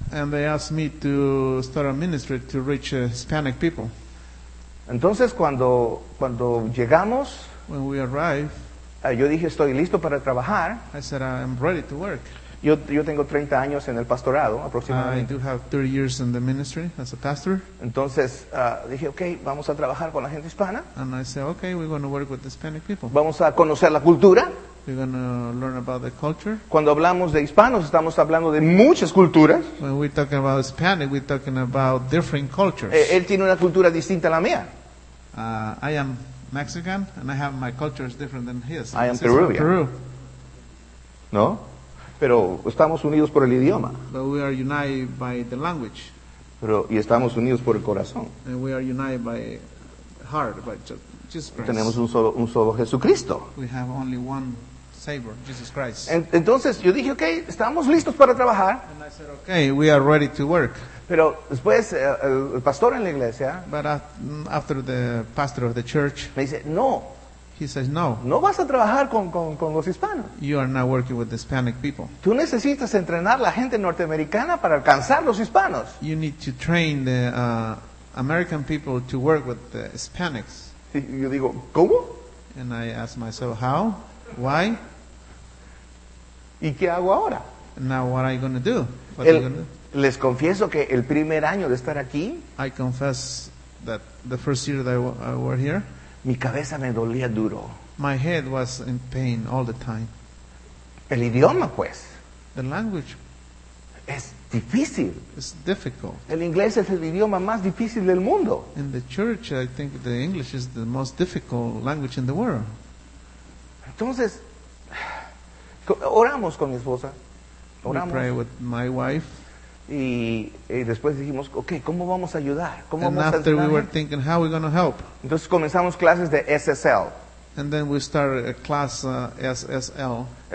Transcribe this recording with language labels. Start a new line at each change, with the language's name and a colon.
English: And they asked me to start a ministry to reach Hispanic people.
Spanish: Entonces cuando llegamos,
English: when we arrived,
Spanish: yo dije estoy listo para trabajar.
English: I said I'm ready to work.
Spanish: Yo tengo 30 años en el pastorado, aproximadamente.
English: I do have 30 years in the ministry as a pastor.
Spanish: Entonces, dije, okay, vamos a trabajar con la gente hispana.
English: And I said, okay, we're going to work with Hispanic people.
Spanish: Vamos a conocer la cultura.
English: We're going to learn about the culture.
Spanish: Cuando hablamos de hispanos, estamos hablando de muchas culturas.
English: When we're talking about Hispanic, we're talking about different cultures.
Spanish: Él tiene una cultura distinta a la mía.
English: I am Mexican, and I have my culture is different than his. I am Peruvian. Peru.
Spanish: No? Pero estamos unidos por el idioma.
English: But we are united by the language.
Spanish: Pero y estamos unidos por el corazón.
English: And we are united by heart, by Jesus Christ.
Spanish: Tenemos un solo Jesucristo.
English: We have only one Savior, Jesus Christ.
Spanish: Entonces yo dije, okay, estamos listos para trabajar.
English: And I said, okay, we are ready to work.
Spanish: Pero después el pastor en la iglesia.
English: But after the pastor of the church.
Spanish: Me dice, no.
English: He says no.
Spanish: No vas a trabajar con los hispanos.
English: You are not working with the Hispanic people.
Spanish: Tú necesitas entrenar la gente norteamericana para alcanzar los hispanos.
English: You need to train the American people to work with the Hispanics.
Spanish: Y yo digo, ¿cómo?
English: And I ask myself, how? Why?
Spanish: ¿Y qué hago ahora?
English: Now what are you going to do?
Spanish: Les confieso que el primer año de estar aquí,
English: I confess that the first year that I were here,
Spanish: mi cabeza me dolía duro.
English: My head was in pain all the time.
Spanish: El idioma, pues.
English: The language.
Spanish: Es difícil.
English: It's difficult.
Spanish: El inglés es el idioma más difícil del mundo.
English: In the church, I think the English is the most difficult language in the world.
Spanish: Entonces, oramos con mi esposa. Oramos.
English: We pray with my wife.
Spanish: Y después dijimos, okay, ¿cómo vamos a ayudar? ¿Cómo
English: and
Spanish: vamos
English: after
Spanish: a
English: we were thinking, how are we going to help?
Spanish: Entonces comenzamos clases de SSL.
English: And then we started a class SSL.